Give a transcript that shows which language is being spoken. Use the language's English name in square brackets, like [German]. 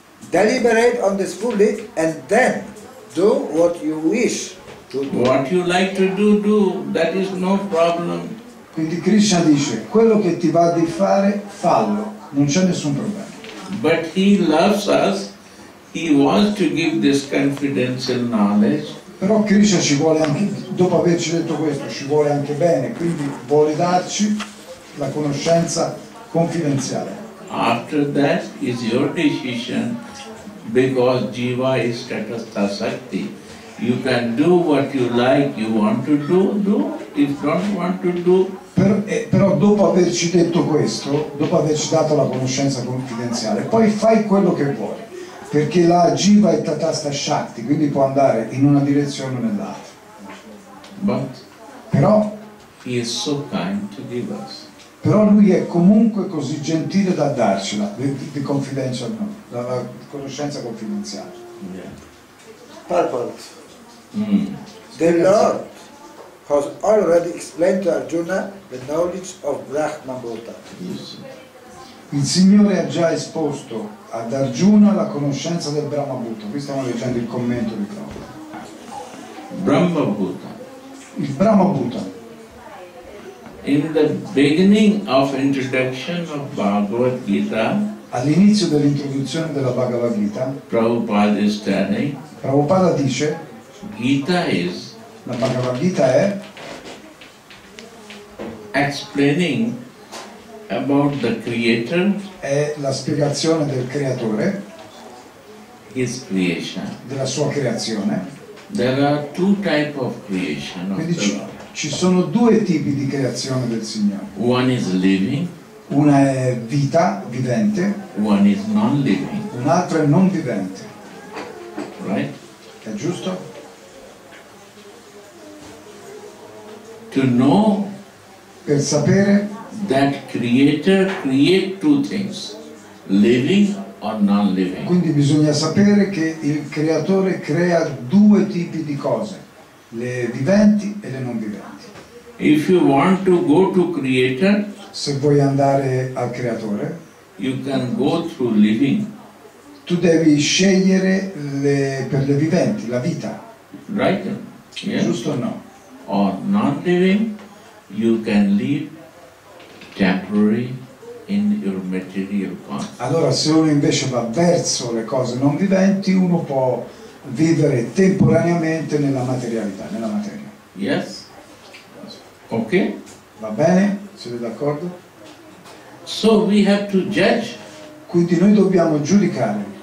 [English] Deliberate on this fully and then do what you wish to do. What you like to do, do. That is no problem. [Italian] Quindi Krishna dice, quello che ti va di fare, fallo. Non c'è nessun problema. [English] But he loves us. He wants to give this confidential knowledge. [Italian] Però Krishna ci vuole anche, dopo averci detto questo, ci vuole anche bene, quindi vuole darci la conoscenza confidenziale. [English] After that is your decision, because jiva is tatastha sakti. You can do what you like, you want to do, do. If don't want to do. [Italian] Però dopo averci detto questo, dopo averci dato la conoscenza confidenziale, poi fai quello che vuoi. Perché la jiva è tatastha shakti, quindi può andare in una direzione o nell'altra. [English] But [Italian] però [English] he is so kind to give us. [Italian] Però lui è comunque così gentile da darcela, [English] the confidential knowledge, [Italian] la conoscenza confidenziale. [English] Yeah. Purport. The Lord has already explained to Arjuna the knowledge of Brahma Bhuta. [Italian] Il Signore ha già esposto ad Arjuna la conoscenza del Brahma Bhuta. Qui stiamo leggendo il commento di Prabhupada. [English] Brahma Bhuta. [Italian] Il Brahma Bhuta. [English] In the beginning of introduction of Bhagavad Gita, [Italian] all'inizio dell'introduzione della Bhagavad Gita, [English] Prabhupada is telling, [Italian] Prabhupada dice, [English] Gita is, [Italian] la Bhagavad Gita è, [English] explaining about the creator, [Italian] è la spiegazione del creatore, [English] his creation, [Italian] della sua creazione. [English] There are two type of creation of the Lord. [Italian] Ci sono due tipi di creazione del Signore. [English] One is living, [Italian] una è vita, vivente. [English] One is non living, [Italian] un'altra è non vivente. [English] Right? [Italian] È giusto? [English] To know, [Italian] per sapere, [English] that creator create two things, living or non living. [Italian] Quindi bisogna sapere che il creatore crea due tipi di cose, le viventi e le non viventi. [English] If you want to go to creator, [Italian] se vuoi andare al creatore, [English] you can go through living. [Italian] Tu devi scegliere per le viventi, la vita. [English] Right? [Italian] Yes. Giusto o no? [English] Or non living, you can live temporary in your material consciousness. [Italian] Allora, se uno invece va verso le cose non viventi, uno può vivere temporaneamente nella materialità, nella materia. [English] Yes. Ok. [Italian] Va bene? Siete d'accordo? [English] So we have to judge. [Italian] Quindi noi dobbiamo giudicare.